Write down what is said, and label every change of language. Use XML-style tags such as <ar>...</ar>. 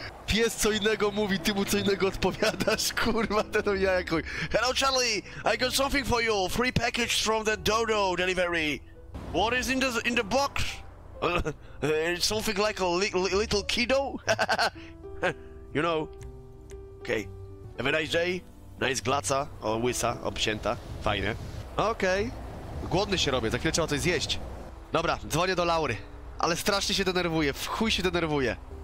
<pl>pies co innego mówi, ty mu co innego odpowiadasz, kurwa, to do mnie jakoś.</pl> <en>Hello Charlie, I got something for you, free package from the Dodo delivery. What is in the box? It's something like a little kiddo? You know. Okay. Have a nice day. Nice</en> <pl>glaca, o, łysa, obcięta, fajne. Okej. Okay. Głodny się robię, za chwilę trzeba coś zjeść. Dobra, dzwonię do Laury. Ale strasznie się denerwuję, w chuj się denerwuję.</pl>